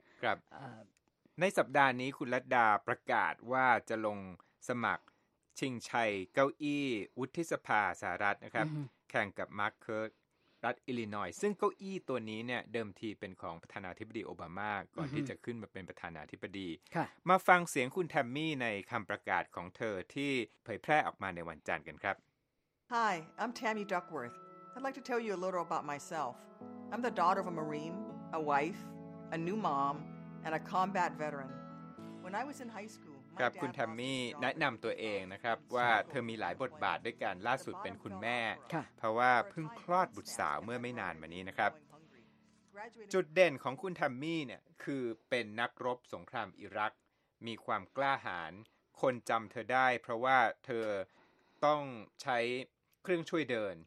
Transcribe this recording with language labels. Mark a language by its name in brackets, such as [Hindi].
[Thai] ครับในสัปดาห์นี้คุณลัดดาประกาศว่าจะลงสมัครชิงชัยเก้าอี้วุฒิสภาสหรัฐนะครับแข่งกับมาร์คเคิร์กรัฐอิลลินอยซึ่งเก้าอี้ตัวนี้เนี่ยเดิมทีเป็นของประธานาธิบดีโอบามาก่อนที่จะขึ้นมาเป็นประธานาธิบดีมาฟังเสียงคุณแทมมี่ในคำประกาศของเธอที่เผยแพร่ออกมาในวันจันทร์กันครับ [English] Hi I'm Tammy DuckworthI'd like to tell you a little about myself. I'm the daughter of a Marine, a wife, a new mom, and a combat veteran. When I was in high school, [Thai] ครับคุณแทมมี่แนะนำตัวเองนะครับว่าเธอมีหลายบทบาทด้วยกันล่าสุดเป็นคุณแม่ เพราะว่าเพิ่งคลอดบุตรสาวเมื่อไม่นานมานี้นะครับจุดเด่นของคุณแทมมี่เนี่ยคือเป็นนักรบสงครามอิรัก มีความกล้าหาญคนจำเธอได้เพราะว่าเธอต้องใช้เครื่องช่วยเดิน